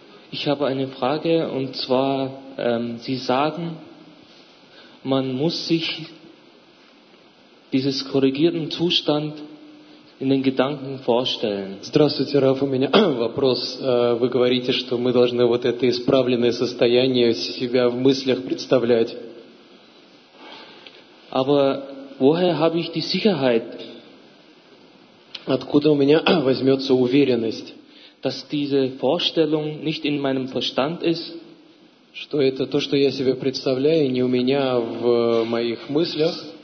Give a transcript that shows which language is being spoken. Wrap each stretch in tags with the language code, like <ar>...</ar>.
<de>Ich habe eine Frage, und zwar, Sie sagen, man muss sich dieses korrigierten Zustand in den Gedanken vorstellen.</de> <ru>Здравствуйте, Раф, у меня вопрос. Вы говорите, что мы должны вот это исправленное состояние себя в мыслях представлять.</ru> <de>Aber woher habe ich die Sicherheit?</de> <ru>Откуда у меня возьмется уверенность,</ru> <de>dass diese Vorstellung nicht in meinem Verstand ist?</de> <ru>Что это то, что я себе представляю, не у меня в моих мыслях,</ru>